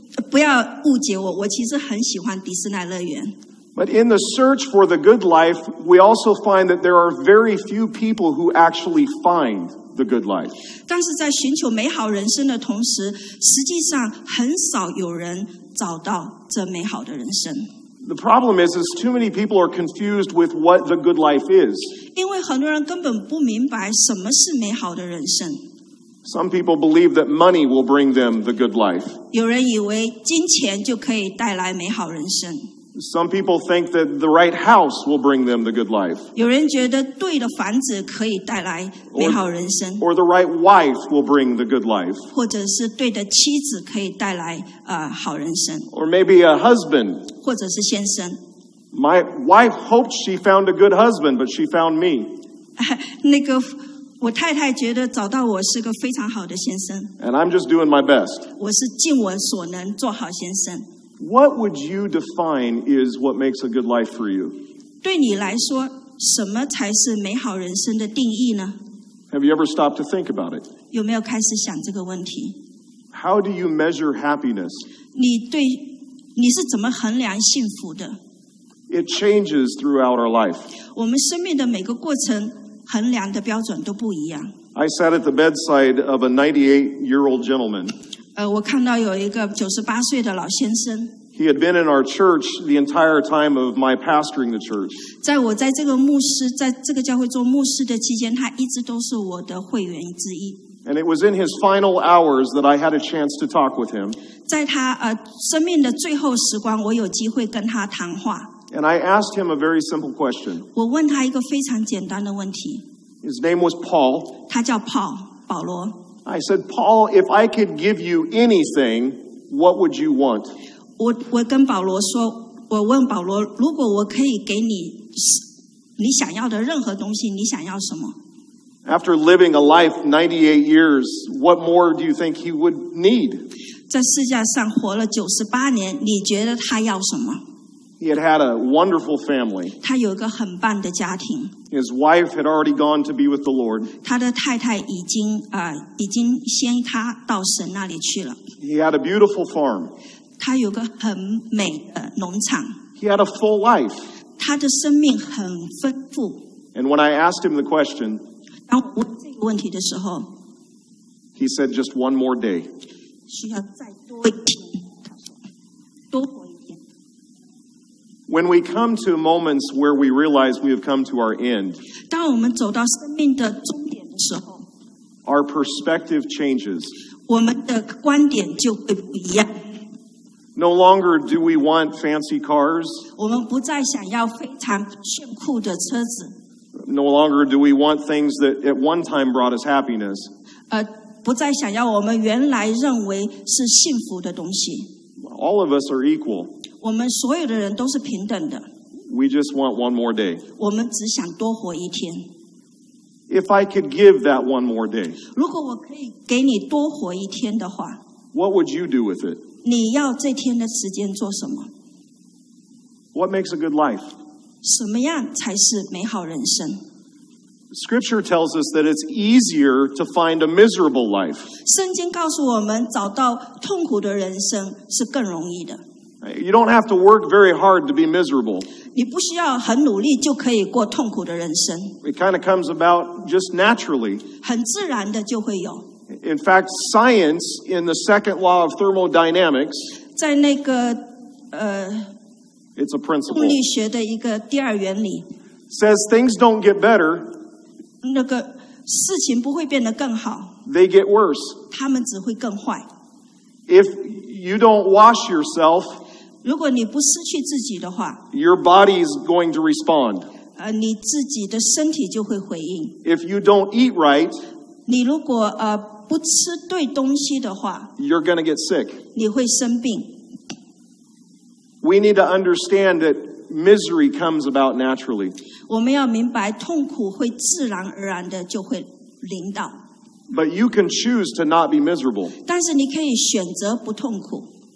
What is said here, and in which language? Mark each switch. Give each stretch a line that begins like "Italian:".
Chinese: 不要误解我，我其实很喜欢迪士尼乐园。
English: But in the search for the good life, we also find that there are very few people who actually find the good life.
Chinese: 但是在寻求美好人生的同时，实际上很少有人找到这美好的人生。
English: The problem is too many people are confused with what the good life is.
Chinese: 因为很多人根本不明白什么是美好的人生。
English: Some people believe that money will bring them the good life.
Chinese: 有人以为金钱就可以带来美好人生。
English: Some people think that the right house will bring them the good life.
Chinese: 有人觉得对的房子可以带来美好人生。
English: Or the right wife will bring the good life.
Chinese: 或者是对的妻子可以带来好人生。
English: Or maybe a husband.
Chinese: 或者是先生。
English: My wife hoped she found a good husband, but she found me.
Chinese: 那个我太太觉得找到我是个非常好的先生。
English: And I'm just doing my best.
Chinese: 我是尽我所能做好先生。
English: What would you define is what makes a good life for you?
Chinese: 对你来说，什么才是美好人生的定义呢？
English: Have you ever stopped to think about it?
Chinese: 有没有开始想这个问题？
English: How do you measure happiness?
Chinese: 你是怎么衡量幸福的？
English: It changes throughout our life.
Chinese: 我们生命的每个过程，衡量的标准都不一样。
English: I sat at the bedside of a 98-year-old gentleman.
Chinese: 我看到有一个98岁的老先生。
English: He had been in our church the entire time of my pastoring the church.
Chinese: 在我在这个牧师，在这个教会做牧师的期间，他一直都是我的会员之一。
English: And it was in his final hours that I had a chance to talk with him.
Chinese: 在他生命的最后时光，我有机会跟他谈话。
English: And I asked him a very simple question.
Chinese: 我问他一个非常简单的问题。
English: His name was Paul.
Chinese: 他叫 Paul, 保罗。
English: I said, Paul, if I could give you anything, what would you want?
Chinese: 我跟保罗说，我问保罗，如果我可以给你想要的任何东西，你想要什么？
English: After living a life 98 years, what more do you think he would need?
Chinese: 在世界上活了98年，你觉得他要什么？
English: He had had a wonderful family.
Chinese: 他有一个很棒的家庭。
English: His wife had already gone to be with the Lord.
Chinese: 他的太太已经先他到神那里去了。
English: He had a beautiful farm.
Chinese: 他有个很美的农场。
English: He had a full life.
Chinese: 他的生命很丰富。
English: And when I asked him the question,
Chinese: 当我问这个问题的时候
English: he said just one more day.
Chinese: 需要再多一天。
English: When we come to moments where we realize we have come to our end,
Chinese: 当我们走到生命的终点的时候
English: our perspective changes.
Chinese: 我们的观点就会不一样。
English: No longer do we want fancy cars.
Chinese: 我们不再想要非常炫酷的车子。
English: No longer do we want things that at one time brought us happiness.
Chinese: 不再想要我们原来认为是幸福的东西。
English: All of us are equal.
Chinese: 我们所有的人都是平等的。
English: We just want one more day.
Chinese: 我们只想多活一天。
English: If I could give that one more day,
Chinese: 如果我可以给你多活一天的话
English: what would you do with it?
Chinese: 你要这天的时间做什么？
English: What makes a good life?
Chinese: 什么样才是美好人生？
English: Scripture tells us that it's easier to find a miserable life.
Chinese: 圣经告诉我们找到痛苦的人生是更容易的。
English: You don't have to work very hard to be miserable.
Chinese: 你不需要很努力就可以过痛苦的人生。
English: It kind of comes about just naturally.
Chinese: 很自然的就会有。
English: In fact, science in the second law of thermodynamics.
Chinese: 在那个
English: It's a principle.
Chinese: 动力学的一个第二原理。
English: Says things don't get better.
Chinese: 那个事情不会变得更好。
English: They get worse.
Chinese: 他们只会更坏。
English: If you don't wash yourself,
Chinese: 如果你不失去自己的话
English: your body is going to respond.
Chinese: 你自己的身体就会回应。
English: If you don't eat right,
Chinese: 你如果不吃对东西的话
English: you're going to get sick.
Chinese: 你会生病。
English: We need to understand that misery comes about naturally.
Chinese: 我们要明白痛苦会自然而然的就会临到。
English: But you can choose to not be miserable.
Chinese: 但是你可以选择不痛苦。